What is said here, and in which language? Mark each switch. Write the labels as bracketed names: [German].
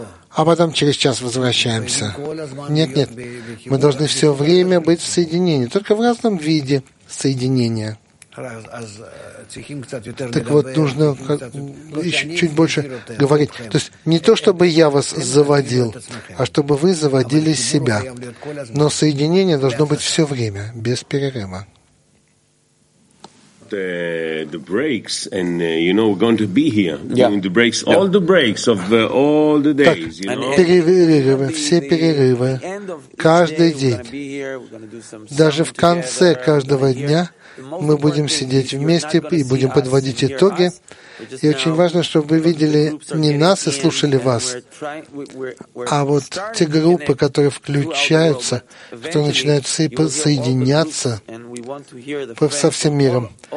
[Russian] А потом через час возвращаемся. Нет, нет, мы должны все время быть в соединении, только в разном виде соединения. Так вот, нужно еще чуть больше говорить. То есть не то, чтобы я вас заводил, а чтобы вы заводили себя. Но соединение должно быть все время, без перерыва. [English] The breaks, and you know we're going to be here doing the breaks, all the breaks of all the days, [Russian] так, [English] you know. [Russian] Перерывы, все перерывы, каждый день. Даже в конце каждого дня мы будем сидеть вместе и будем подводить итоги. И очень важно, чтобы вы видели не нас и слушали вас, а вот те группы, которые включаются, которые начинают соединяться со всем миром.